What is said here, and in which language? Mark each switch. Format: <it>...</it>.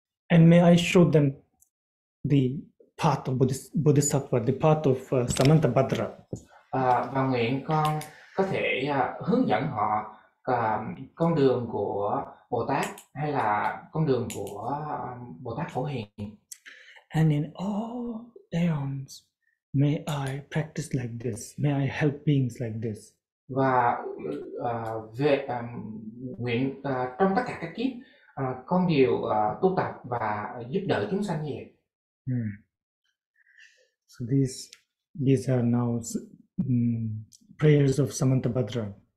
<en>And may I show them the path of Bodhisattva, the path of Samantabhadra.</en> <vi>Và nguyện con có thể hướng dẫn họ con đường của Bồ Tát hay là con đường của Bồ Tát Phổ Hiền.</vi> <en>And in all aeons, may I practice like this. May I help beings like this.</en> <vi>Và về nguyện trong tất cả các kiếp, con đều tu tập và giúp đỡ chúng sanh vậy.</vi> <en>So these are now prayers of Samantabhadra.</en>